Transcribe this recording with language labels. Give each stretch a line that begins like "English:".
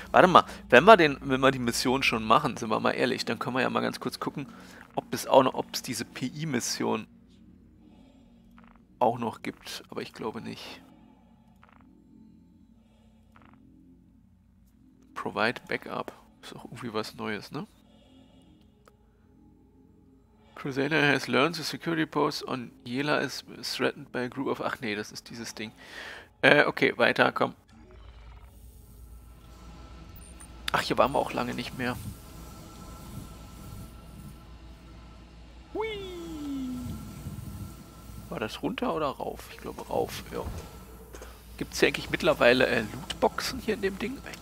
German: Warte mal, wenn wir die Mission schon machen, sind wir mal ehrlich, dann können wir ja mal ganz kurz gucken, ob es diese PI-Mission auch noch gibt. Aber ich glaube nicht. Provide Backup. Ist auch irgendwie was Neues, ne?
English: Crusader has learned the security post on Yela is threatened by a group of...
German: Ach nee, das ist dieses Ding. Okay, weiter, komm. Ach, hier waren wir auch lange nicht mehr. Hui! War das runter oder rauf? Ich glaube rauf, ja. Gibt es hier eigentlich mittlerweile Lootboxen hier in dem Ding?